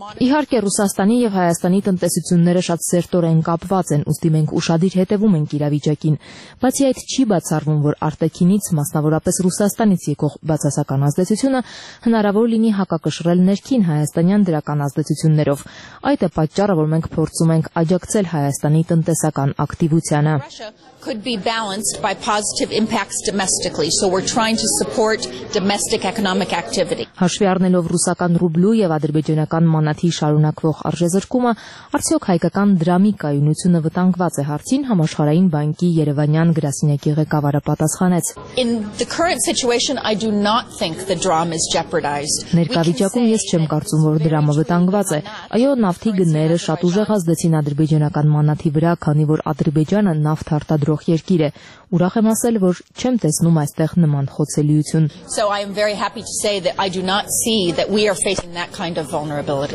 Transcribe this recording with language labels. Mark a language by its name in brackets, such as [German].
[Armenian] Իհարկե, Ռուսաստանի և Հայաստանի տնտեսությունները շատ սերտորեն կապված են, ուստի մենք ուշադիր հետևում ենք իրավիճակին, բացի այդ չի բացառվում, որ արտաքինից, մասնավորապես Ռուսաստանից եկող բացասական ազդեցությունը հնարավոր լինի հակակշռել ներքին հայաստանյան դրական ազդեցություններով։ Այդ է պատճառը, որ մենք փորձում ենք աջակցել Հայաստանի տնտեսական ակտիվությանը։ [English] Could be balanced by positive impacts domestically, so we're trying to support domestic economic activity. [Armenian] Հաշվի առնելով ռուսական ռուբլու եւ ադրբեջանական մանաթի շարունակվող արժեզրկումը, արդյոք հայկական դրամի կայունությունը վտանգված է, հարցին Համաշխարհային բանկի Երևանյան գրասենյակի ղեկավարը պատասխանեց։ [English] In the current situation, I do not think the dram is jeopardized. [Armenian] Ներկայիճակում ես չեմ կարծում, որ դրամը վտանգված է։ Այո, նավթի գները շատ ուժեղ ազդեցին ադրբեջանական մանաթի վրա, քանի որ Ադրբեջանը նավթար դրող երկիր է։ Ուրախ եմ ասել, որ չեմ տեսնում այստեղ նման խոցելիություն։